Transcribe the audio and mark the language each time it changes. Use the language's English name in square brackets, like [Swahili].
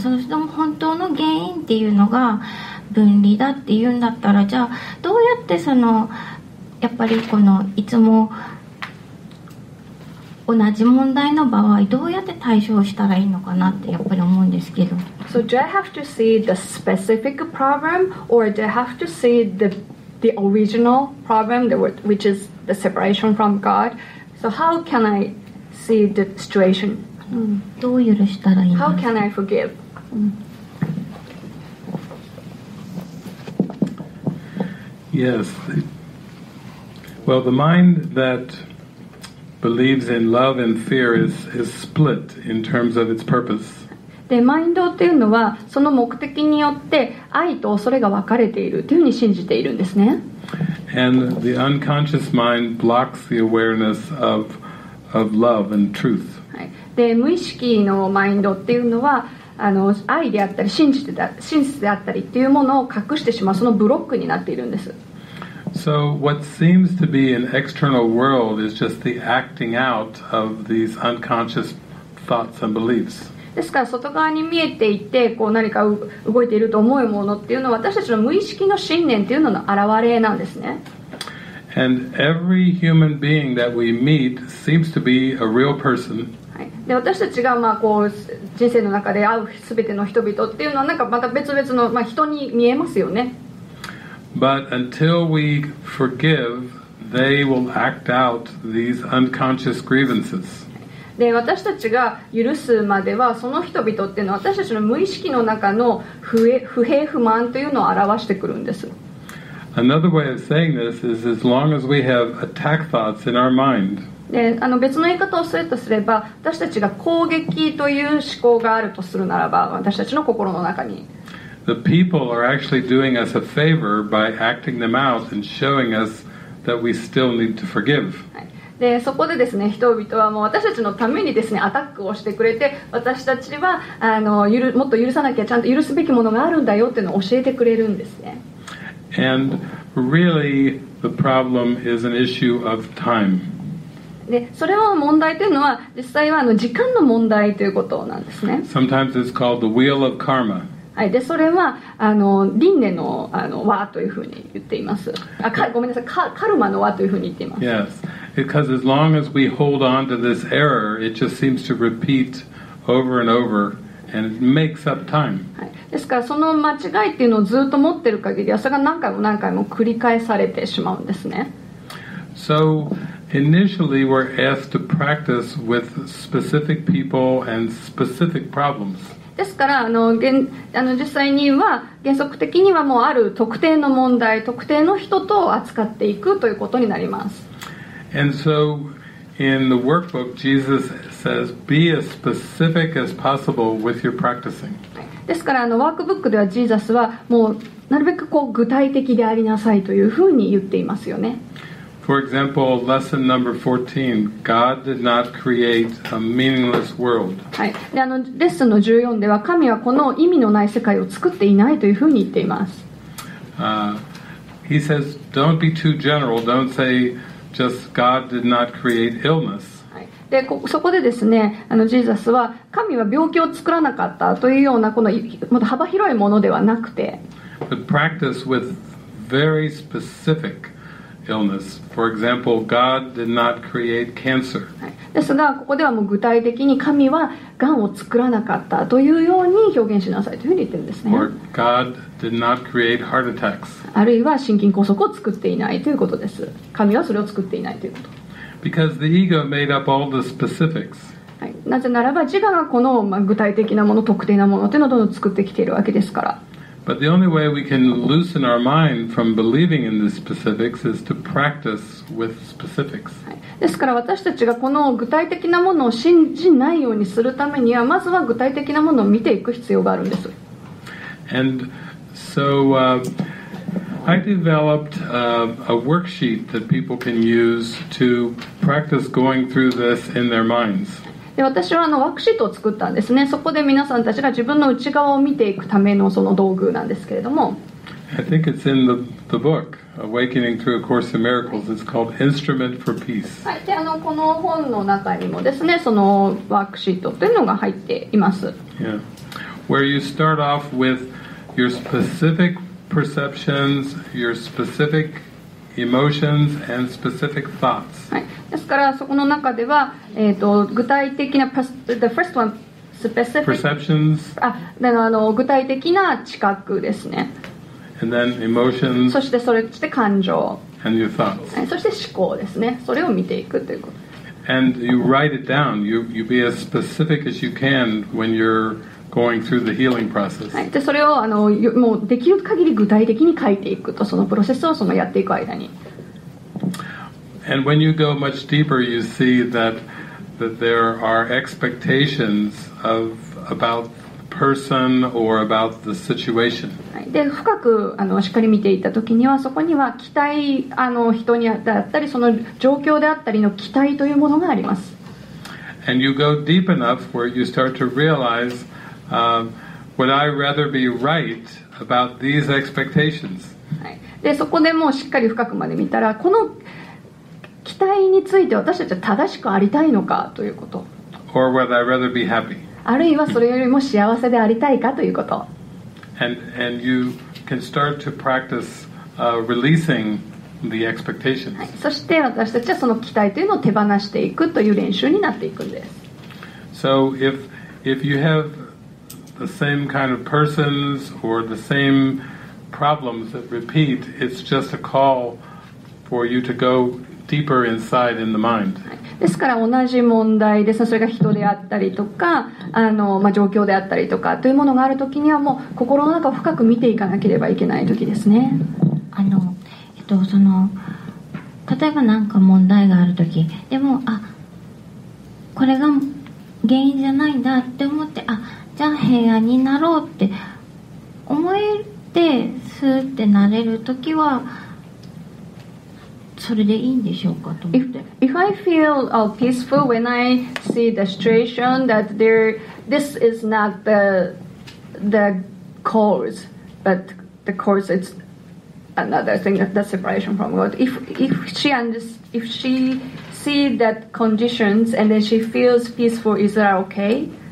[Japanese] その人の本当の原因っていうのが分離だっていうんだったら、じゃあどうやってそのやっぱりこのいつも同じ問題の場合どうやって対処したらいいのかなってやっぱり思うんですけど。 [English] So do I have to see the specific problem, or do I have to see the original problem, which is the separation from God? So how can I see the situation? [Japanese] どう許したらいいの? [English] How can I forgive? Yes. Well, the mind that believes in love and fear is split in terms of its purpose. [Japanese] で、マインドっていうのはその目的によって愛と恐れが分かれているというふうに信じているんですね。 [English] And the unconscious mind blocks the awareness of love and truth. [Japanese] で、無意識のマインドっていうのは、あの、愛であったり、真実であったりっていうものを隠してしまう、そのブロックになっているんです。 [English] So what seems to be an external world is just the acting out of these unconscious thoughts and beliefs. [Japanese] ですから外側に見えていて、こう何か動いていると思うものっていうのは、私たちの無意識の信念っていうのの表れなんですね。 [English] And every human being that we meet seems to be a real person. [Japanese] で、私たちがまあこう人生の中で会う全ての人々っていうのは、なんかまた別々の、まあ、人に見えますよね。 [English] But until we forgive, they will act out these unconscious grievances. [Japanese] で、私たちが許すまでは、その人々っていうのは私たちの無意識の中の不平不満というのを表してくるんです。 [English] Another way of saying this is as long as we have attack thoughts in our mind. [Japanese] で、あの別の言い方をするとすれば、私たちが攻撃という思考があるとするならば、私たちの心の中に。 [English] The people are actually doing us a favor by acting them out and showing us that we still need to forgive. [Japanese] で、そこでですね、人々はもう私たちのためにですね、アタックをしてくれて、私たちはあのもっと許さなきゃ、ちゃんと許すべきものがあるんだよっていうのを教えてくれるんですね。 [English] And really, the problem is an issue of time. [Japanese] で、それは問題というのは実際はあの時間の問題ということなんですね。 [English] Sometimes it's called the wheel of karma、 [Japanese] はい、で、それはあの輪廻の、あの輪というふうに言っています。あ、ごめんなさい、カルマの輪というふうに言っています。 [English] Yes, because as long as we hold on to this error, it just seems to repeat over and over and it makes up time、 [Japanese] はい、ですからその間違いっていうのをずっと持ってる限りはそれが何回も何回も繰り返されてしまうんですね。 [English] So initially we're asked to practice with specific people and specific problems. [Japanese] ですからあの現あの実際には原則的にはもうある特定の問題、特定の人と扱っていくということになります。 [English] And so in the workbook Jesus says be as specific as possible with your practicing. [Japanese] ですからあのワークブックではジーザスはもうなるべくこう具体的でありなさいというふうに言っていますよね。 [English] For example, lesson number 14, God did not create a meaningless world. [Japanese] はい。で、あのレッスンの14では神はこの意味のない世界を作っていないというふうに言っています。 [English] He says, don't be too general. Don't say just God did not create illness. [Japanese] でそこでですねあのジーザスは神は病気を作らなかったというようなこのもっと幅広いものではなくて [English] But practice with very specific illness. For example, God did not create cancer. [Japanese] ですがここではもう具体的に神はがんを作らなかったというように表現しなさいというふうに言ってるんですね。 [English] Or God did not create heart attacks. [Japanese] あるいは心筋梗塞を作っていないということです。神はそれを作っていないということ [English] Because the ego made up all the specifics. [Japanese] はい、なぜならば自我がこの、まあ、具体的なもの特定なものというのをどんどん作ってきているわけですから。 [English] But the only way we can loosen our mind from believing in the specifics is to practice with specifics.、 [Japanese] はい、ですから私たちがこの具体的なものを信じないようにするためにはまずは具体的なものを見ていく必要があるんです。 [English] And so、I developed a worksheet that people can use to practice going through this in their minds. [Japanese] で、私はあのワークシートを作ったんですね。そこで皆さんたちが自分の内側を見ていくためのその道具なんですけれども。 [English] I think it's in the book, Awakening Through a Course in Miracles. It's called Instrument for Peace. [Japanese] はい、で、あのこの本の中にもですね、そのワークシートというのが入っています。 [English] Yeah. Where you start off with your specific perceptions, your specific emotions and specific thoughts. [Japanese] ですからそこの中では、具体的な [English] the first one specific perceptions. [Japanese] あの具体的な知覚ですね。 [English] And then emotions. [Japanese] そしてそれして感情。 [English] And your thoughts. [Japanese] そして思考ですね。それを見ていくということ。 [English] And you write it down. You be as specific as you can when you're. Going through the healing process. [Japanese] はい、でそれをあのもうできる限り具体的に書いていくとそのプロセスをそのやっていく間に。 [English] And when you go much deeper, you see that there are expectations of about person or about the situation.、 [Japanese] はい、で深くあのしっかり見ていたときにはそこには期待あの人にあったりその状況であったりの期待というものがあります。 [English] And you go deep enough where you start to realizewould I rather be right about these expectations? [Japanese] で、そこでもうしっかり深くまで見たら、この期待について私たちは正しくありたいのかということ。 [English] Or would I rather be happy? [Japanese] あるいはそれよりも幸せでありたいかということ。 [English] And you can start to practice releasing the expectations. [Japanese] そして私たちはその期待というのを手放していくという練習になっていくんです。 [English] So if you haveThe same kind of persons or the same problems that repeat, it's just a call for you to go deeper inside in the mind. [Japanese] ですから同じ問題でそれが人であったりとかあの、まあ、状況であったりとかというものがあるときにはもう心の中を深く見ていかなければいけないときですね。あの、その例えば何か問題があるとき、でもあこれが原因じゃないんだって思ってあ。じゃあ平安になろうって思えてスーってなれるときはそれでいいんでしょうかと思って [English] if I feel、peaceful when I see the situation that there, this is not the cause but the cause is another thing, the separation from God. If she understands, if she see that conditions and then she feels peaceful, is that okay?